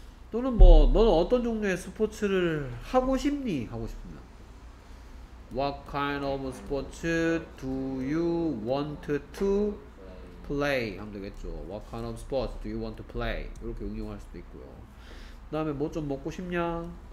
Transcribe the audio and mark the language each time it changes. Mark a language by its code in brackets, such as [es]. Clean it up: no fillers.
[ko] 또는 뭐, 너는 어떤 종류의 스포츠를 하고 싶니? 하고 싶으면. [en] What kind of sports do you want to play? [ko] 하면 되겠죠. [en] What kind of sports do you want to play? [ko] 이렇게 응용할 수도 있고요. 그다음에 뭐좀 먹고 싶냐?